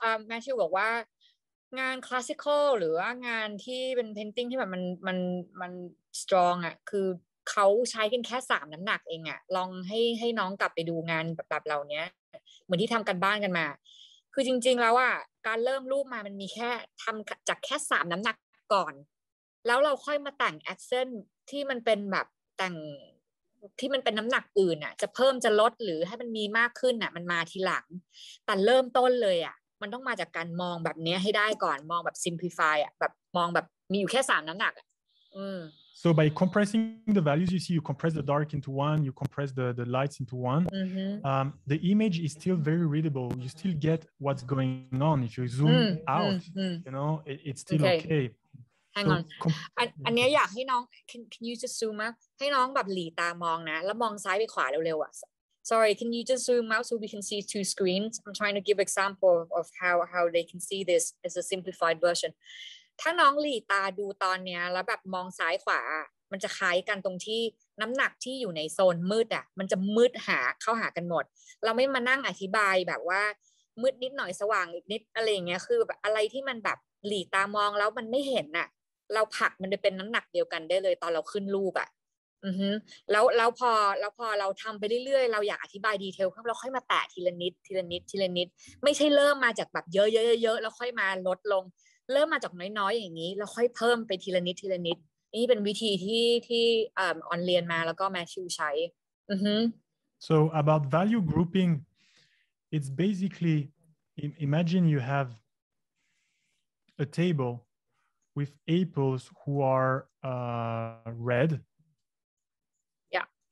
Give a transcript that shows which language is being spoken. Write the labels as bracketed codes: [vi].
[th] Matthew บอกว่างาน classical หรือว่างานที่เป็น painting ที่แบบมัน strong อ่ะคือเขาใช้กันแค่3น้ำหนักเองอ่ะลองให้น้องกลับไปดูงานแบบเราเนี้ยเหมือนที่ทำกันบ้านกันมาคือจริงๆแล้วอ่ะการเริ่มรูปมามันมีแค่ทำจากแค่3น้ำหนักก่อนแล้วเราค่อยมาแต่งแอคเซนต์ที่มันเป็นแบบแต่ง ที่มันเป็นน้ำหนักอื่นอ่ะจะเพิ่มจะลดหรือให้มันมีมากขึ้นอ่ะมันมาทีหลังแต่เริ่มต้นเลยอ่ะมันต้องมาจากการมองแบบนี้ให้ได้ก่อนมองแบบซิมพลิฟายอ่ะแบบมองแบบ มีอยู่แค่3น้ำหนักอ่ะ [en] So by compressing the values, you see, you compress the dark into one, you compress the lights into one. Mm-hmm. The image is still very readable. You still get what's going on. If you zoom out, you know, it's still okay. Hang on. [th] อันนี้อยากให้น้อง [en] can you just zoom out? [th] ให้น้องแบบหลีตามองนะแล้วมองซ้ายไปขวาเร็วๆอ่ะ [en] Sorry, can you just zoom out so we can see two screens? I'm trying to give example of how they can see this as a simplified version. [th] ถ้าน้องหลีตาดูตอนเนี้ยแล้วแบบมองซ้ายขวามันจะคล้ายกันตรงที่น้ำหนักที่อยู่ในโซนมืดอ่ะมันจะมืดหาเข้าหากันหมดเราไม่มานั่งอธิบายแบบว่ามืดนิดหน่อยสว่างอีกนิดอะไรเงี้ยคือแบบอะไรที่มันแบบหลีตามองแล้วมันไม่เห็นอ่ะเราผักมันไปเป็นน้ำหนักเดียวกันได้เลยตอนเราขึ้นรูปอ่ะอือฮึแล้วพ อเราทำไปเรื่อยๆเราอยากอธิบายดีเทลเพิ่มเราค่อยมาแตะทีละนิดทีละนิดทีละนิดไม่ใช่เริ่มมาจากแบบเยอะๆๆๆแล้วค่อยมาลดลงเริ่มมาจากน้อยๆอย่างนี้แล้วค่อยเพิ่มไปทีละนิดทีละนิดนี่เป็นวิธีที่ออนเรียนมาแล้วก็แมทชิวใช้ [en] So about value grouping, it's basically imagine you have a table with apples who are red. Yeah.